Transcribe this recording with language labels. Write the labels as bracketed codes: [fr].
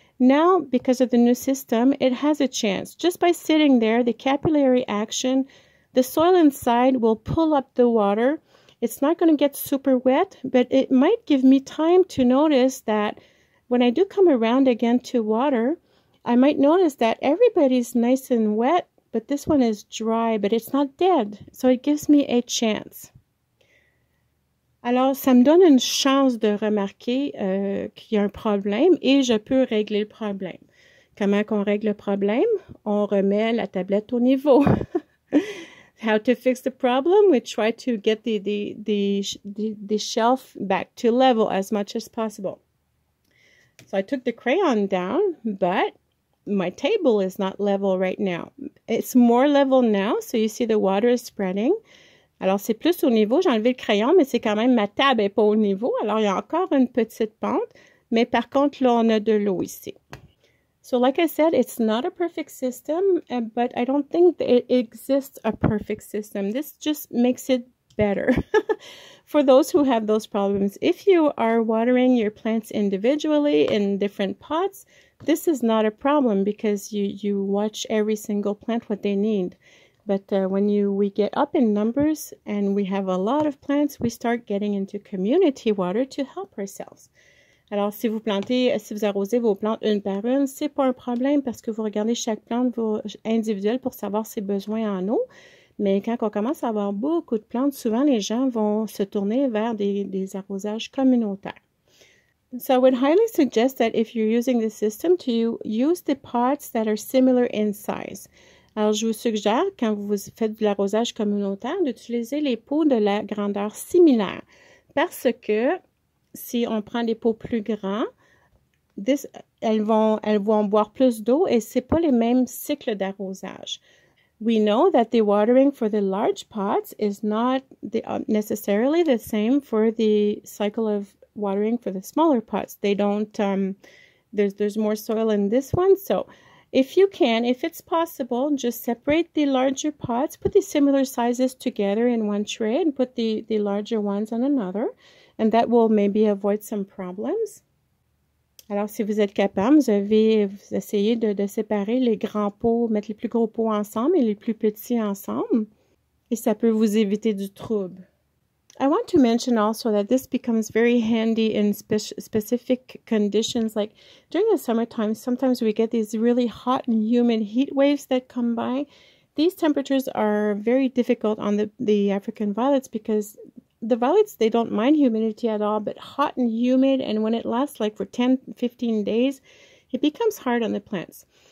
[en] Now, because of the new system, it has a chance. Just by sitting there, the capillary action, the soil inside will pull up the water. It's not going to get super wet, but it might give me time to notice that when I do come around again to water, I might notice that everybody's nice and wet, but this one is dry, but it's not dead. So it gives me a chance. [fr] Alors, ça me donne une chance de remarquer qu'il y a un problème et je peux régler le problème. Comment qu'on règle le problème? On remet la tablette au niveau. [en] How to fix the problem? We try to get the shelf back to level as much as possible. So I took the crayon down, but my table is not level right now. It's more level now, so you see the water is spreading. [fr] Alors c'est plus au niveau, j'ai enlevé le crayon, mais c'est quand même ma table est pas au niveau. Alors il y a encore une petite pente, mais par contre là on a de l'eau ici. [en] So like I said, it's not a perfect system, but I don't think it exists a perfect system. This just makes it better for those who have those problems. If you are watering your plants individually in different pots, this is not a problem because you watch every single plant what they need. But when we get up in numbers and we have a lot of plants, we start getting into community water to help ourselves. [fr] Alors, si vous arrosez vos plantes une par une, c'est pas un problème parce que vous regardez chaque plante individuelle pour savoir ses besoins en eau. Mais quand on commence à avoir beaucoup de plantes, souvent les gens vont se tourner vers des arrosages communautaires. [en] So I would highly suggest that if you're using the system to use the pots that are similar in size. [fr] Alors, je vous suggère, quand vous faites de l'arrosage communautaire, d'utiliser les pots de la grandeur similaire parce que si on prend des pots plus grands, elles vont boire plus d'eau et c'est pas les mêmes cycles d'arrosage. [en] We know that the watering for the large pots is not necessarily the same for the cycle of watering for the smaller pots. They don't there's more soil in this one. So if you can, if it's possible, just separate the larger pots, put the similar sizes together in one tray and put the larger ones on another. And that will maybe avoid some problems. [fr] Alors, si vous êtes capable, vous essayez de séparer les grands pots, mettre les plus gros pots ensemble et les plus petits ensemble. Et ça peut vous éviter du trouble. [en] I want to mention also that this becomes very handy in specific conditions. Like during the summertime, sometimes we get these really hot and humid heat waves that come by. These temperatures are very difficult on the African violets because the violets, they don't mind humidity at all, but hot and humid, and when it lasts like for 10, 15 days, it becomes hard on the plants.